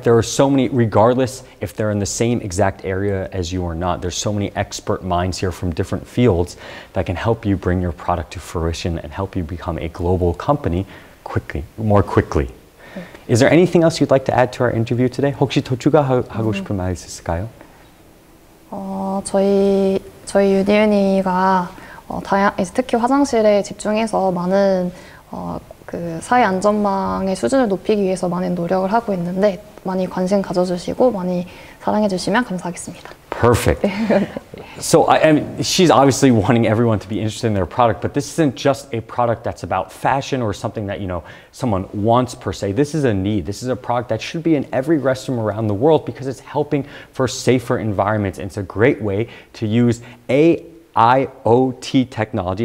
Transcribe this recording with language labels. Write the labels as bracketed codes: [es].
[en] There are so many, regardless if they're in the same exact area as you or not, there's so many expert minds here from different fields that can help you bring your product to fruition and help you become a global company quickly, more quickly. Is there anything else you'd like to add to our interview today? [ko] 혹시 더 추가하고 싶은 말 있을까요? 저희 유니언이가 특히 화장실에 집중해서 많은 그 사회 안전망의 수준을 높이기 위해서 많은 노력을 하고 있는데 많이 관심 가져주시고 많이 사랑해 주시면 감사하겠습니다. [en] Perfect. So I mean, she's obviously wanting everyone to be interested in their product, but this isn't just a product that's about fashion or something that, you know, someone wants per se. This is a need. This is a product that should be in every restroom around the world because it's helping for safer environments. And it's a great way to use IoT technology.